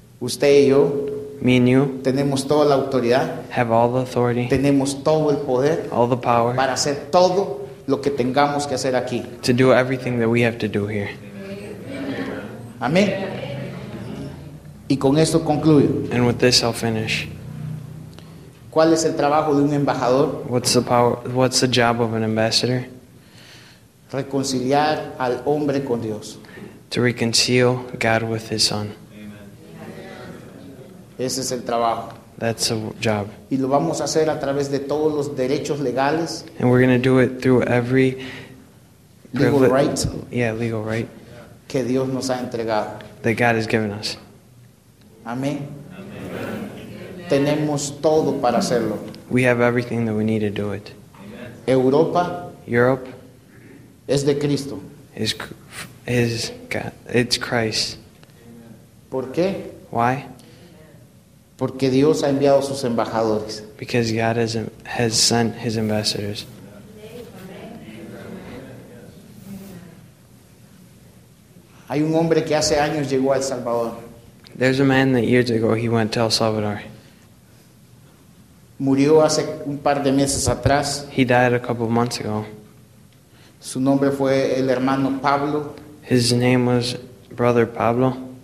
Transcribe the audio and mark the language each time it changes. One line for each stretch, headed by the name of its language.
Spanish: Usted y yo,
English: me and you,
Spanish: tenemos toda la autoridad,
English: have all the authority,
Spanish: tenemos todo el poder,
English: all the power,
Spanish: para hacer todo lo que tengamos que hacer aquí.
English: To do everything that we have to do here.
Spanish: Amén. Y con esto concluyo.
English: And with this I'll finish.
Spanish: ¿Cuál es el trabajo de un embajador?
English: What's the job of an ambassador?
Spanish: Reconciliar al hombre con Dios.
English: To reconcile God with his son.
Spanish: Amen. Ese es el trabajo.
English: That's a job.
Spanish: Y lo vamos a hacer a través de todos los derechos legales.
English: And we're going to do it through every legal right. Yeah, legal right.
Spanish: Que Dios nos ha entregado.
English: That God has given us.
Spanish: Amén. Tenemos todo para hacerlo.
English: We have everything that we need to do it.
Spanish: Amen. Europa.
English: Europe.
Spanish: Es de Cristo.
English: Is God. It's Christ.
Spanish: ¿Por qué?
English: Why?
Spanish: Porque Dios ha enviado sus embajadores.
English: Because God has sent his ambassadors.
Spanish: Hay un hombre que hace años llegó a El Salvador.
English: There's a man that years ago he went to El Salvador.
Spanish: Murió hace un par de meses atrás.
English: He died a couple of months ago.
Spanish: Su nombre fue el hermano Pablo.
English: His name was Brother Pablo.